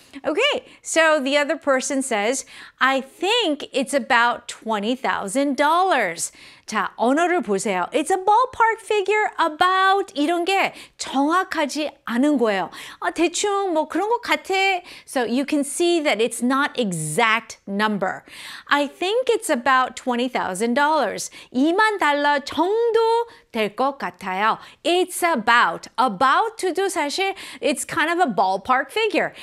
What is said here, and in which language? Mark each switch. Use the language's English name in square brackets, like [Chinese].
[English] Okay, so the other person says, I think it's about $20,000. [Korean] 자, 언어를 보세요. [English] It's a ballpark figure about [Korean] 이런 게 정확하지 않은 거예요. 아, 대충 뭐 그런 것 같아. [English] So you can see that it's not exact number. I think it's about $20,000. [Korean] 2만 달러 정도 될 것 같아요. [English] It's about. About도 [Korean] 사실 [English] it's kind of a ballpark figure.